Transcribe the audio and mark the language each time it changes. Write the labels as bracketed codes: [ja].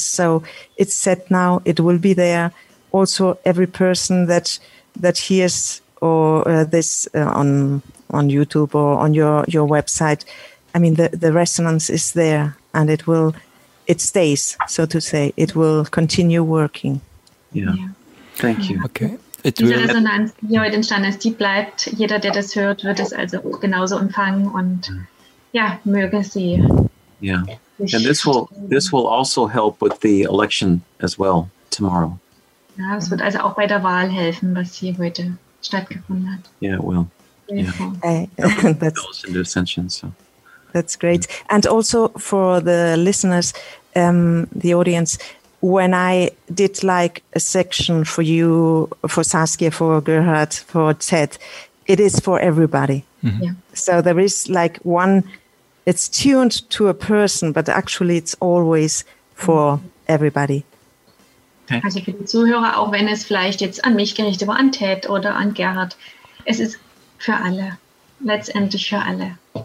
[en] So it's set now, it will be there. Also every person that hears or this on YouTube or on your website, I mean, the resonance is there, and it stays, so to say. It will continue working. Yeah. Thank you. Okay. [de] Diese Resonanz, die heute entstanden ist, die bleibt. Jeder, der das hört, wird es also auch genauso empfangen und möge sie. [en] Yeah. And this will also help with the election as well tomorrow. [de] Ja, es wird also auch bei der Wahl helfen, was hier heute stattgefunden hat. [en] Yeah, it will. That's great. And also for the listeners, the audience, when I did like a section for you, for Saskia, for Gerhard, for Ted, it is for everybody. Mm-hmm. Yeah. So there is like one, it's tuned to a person, but actually it's always for everybody. Okay. [de] Also für die Zuhörer, auch wenn es vielleicht jetzt an mich gerichtet war, an Ted oder an Gerhard, es ist für alle, letztendlich für alle.